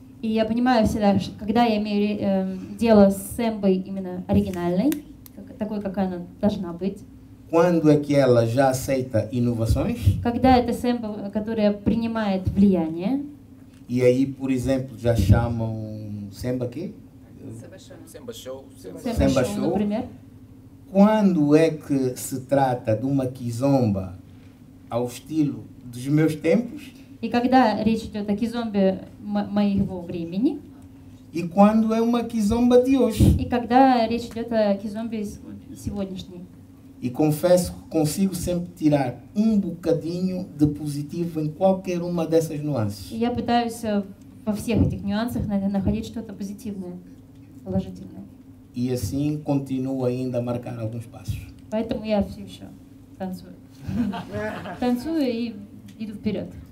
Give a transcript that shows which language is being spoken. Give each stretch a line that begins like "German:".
Portuguese: E eu
Russian: понимаю всегда, когда я имею дело с сэмбой именно оригинальной, такой, как она должна быть.
Portuguese: Quando é que ela já aceita inovações?
Russian: Когда это сэмба, которая принимает влияние?
Portuguese: E aí, por exemplo, já chamam сэмба quê?
Russian: Сэмба шоу. Сэмба шоу, например.
Portuguese: Quando é que se trata de uma кизомба ao estilo dos meus tempos?
Russian: E когда речь идет о кизомбе моего времени?
Portuguese: E quando é uma кизомба de hoje?
Russian: E когда речь идет о кизомбе сегодняшней?
Portuguese: E confesso que consigo sempre tirar um bocadinho de positivo em qualquer uma dessas nuances.
Russian: E я пытаюсь во всех этих нюансах находить что-то позитивное, положительное.
Portuguese: E assim continuo ainda a marcar alguns passos.
Russian: Поэтому я все еще танцую. Танцую и иду вперед.